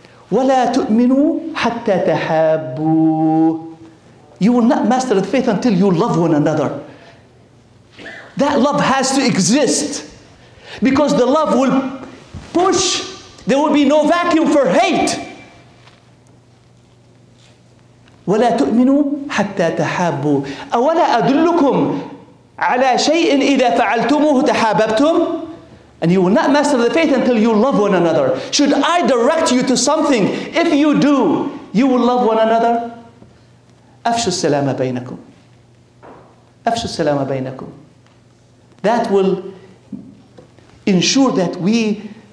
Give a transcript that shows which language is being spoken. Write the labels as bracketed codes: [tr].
[ar] ولا تؤمنوا حتى تحابوا. [en] You will not master the faith until you love one another. That love has to exist, because the love will push. There will be no vacuum for hate. [ar] ولا تؤمنوا حتى تحابوا أولا أدلكم على شيء إذا فعلتموه تحاببتم [en] And you will not master the faith until you love one another. Should I direct you to something? If you do, you will love one another. [ar] أَفْشُ السَّلَامَ بَيْنَكُمْ أَفْشُ السَّلَامَ بَيْنَكُمْ. [en] That will ensure that we...